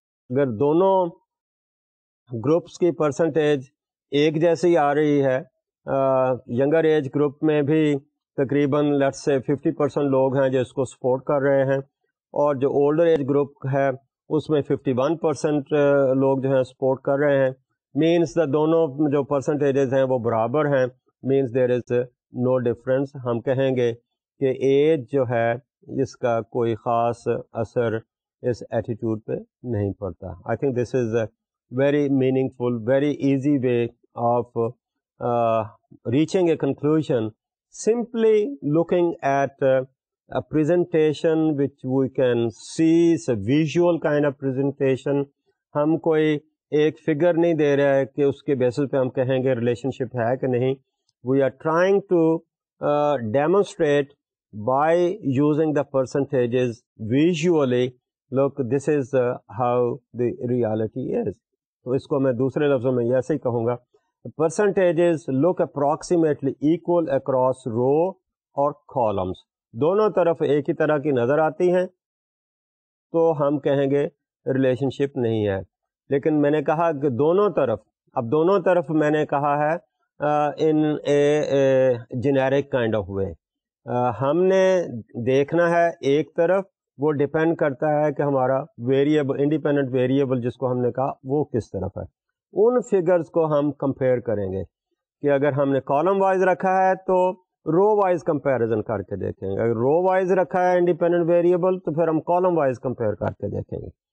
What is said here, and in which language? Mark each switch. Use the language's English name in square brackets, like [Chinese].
[Urdu] اگر دونوں گروپس کی پرسنٹیج ایک جیسی آ رہی ہے, ینگر ایج گروپ میں بھی تقریباً لیٹس سے 50% لوگ ہیں جو اس کو سپورٹ کر رہے ہیں, اور جو اولڈر ایج گروپ ہے اس میں 51% لوگ جو ہیں سپورٹ کر رہے ہیں, مینس دا دونوں جو پرسنٹیجز ہیں وہ برابر ہیں, [English] Means there is no difference. [Urdu] ہم کہیں گے کہ ایج جو ہے اس کا کوئی خاص اثر اس ایٹیٹیوڈ پہ نہیں پڑتا. [English] I think this is a very meaningful very easy way of reaching a conclusion simply looking at a presentation which we can see, it's a visual kind of presentation. [Urdu] ہم کوئی ایک figure نہیں دے رہے کہ اس کے basis پہ ہم کہیں گے relationship ہے کہ نہیں. [English] We are trying to demonstrate by using the percentages visually, look this is how the reality is. [Urdu] تو اس کو میں دوسرے لفظوں میں ایسے ہی کہوں گا, [English] percentages look approximately equal across row [Urdu] اور کالمس, دونوں طرف ایک ہی طرح کی نظر آتی ہیں تو ہم کہیں گے ریلیشن شپ نہیں ہے. لیکن میں نے کہا کہ دونوں طرف, اب دونوں طرف میں نے کہا ہے [English] in a generic kind of way, [Urdu] ہم نے دیکھنا ہے ایک طرف وہ ڈپینڈ کرتا ہے کہ ہمارا ویریبل انڈیپینڈنٹ ویریبل جس کو ہم نے کہا وہ کس طرف ہے, ان فگرز کو ہم کمپیئر کریں گے کہ اگر ہم نے کالم وائز رکھا ہے تو رو وائز کمپیریزن کر کے دیکھیں گے, اگر رو وائز رکھا ہے انڈیپینڈنٹ ویریبل تو پھر ہم کالم وائز کمپیئر کر کے دیکھیں گے.